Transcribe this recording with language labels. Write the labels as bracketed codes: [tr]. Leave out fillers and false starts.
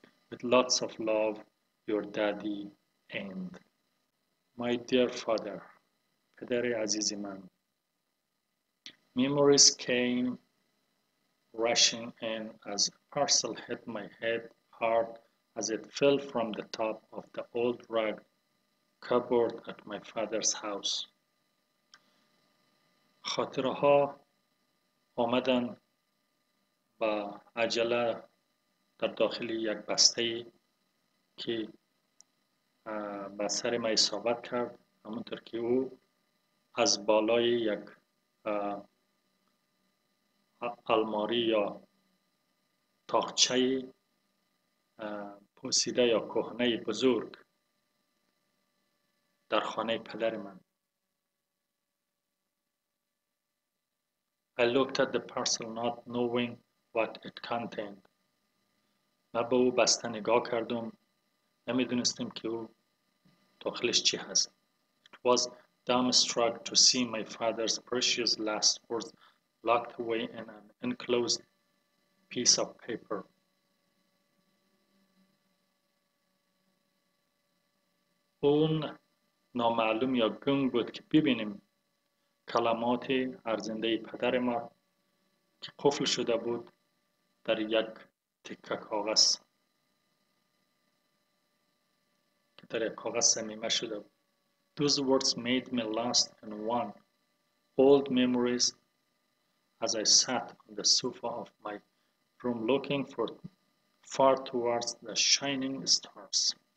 [en] With lots of love, your daddy." And my dear father, Pedere Aziziman, memories came rushing in as a parcel hit my head hard as it fell from the top of the old rag cupboard at my father's house. [fa] خاطره ها آمدن با عجله در داخل یک بسته ای که با سر ما اصابت کرد، همونطور که او از بالای یک الماری یا تاخچه پوسیده یا کهنه بزرگ در خانه پدر من. [en] I looked at the parcel not knowing what it contained. [fa] من به او بسته نگاه کردم، نمیدونستم که او داخلش چی هست. [en] It was dumbstruck to see my father's precious last words locked away in an enclosed piece of paper. [fa] اون نامعلوم یا گنگ بود که ببینیم کلمات ارزنده پدر ما که قفل شده بود در یک تکه کاغذ که در یک کاغذ صمیمه شده بود. [en] Those words made me lost in one old memories as I sat on the sofa of my room looking far towards the shining stars.